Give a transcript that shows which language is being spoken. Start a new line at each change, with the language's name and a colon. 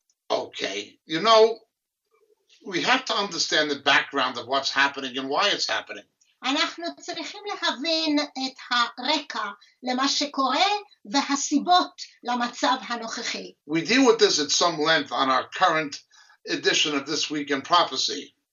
English: Okay. You know, we have to understand the background of what's happening and why it's happening.
Hebrew: אנחנו צריכים להבין את הרקע למה שקורה והסיבות למצב הנוכחי.
English: We deal with this at some length on our current edition of This Week in Prophecy.